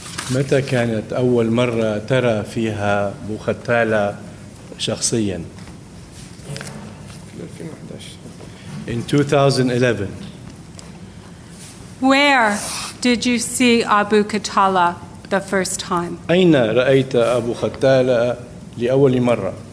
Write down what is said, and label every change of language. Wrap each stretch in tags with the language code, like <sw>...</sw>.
<ar>متى كانت أول مرة ترى فيها أبو خطالة شخصيا؟</ar> <en>In 2011. Where did you see Abu Katala the first time?</en> <ar>أين رأيت أبو خطالة لأول مرة؟</ar>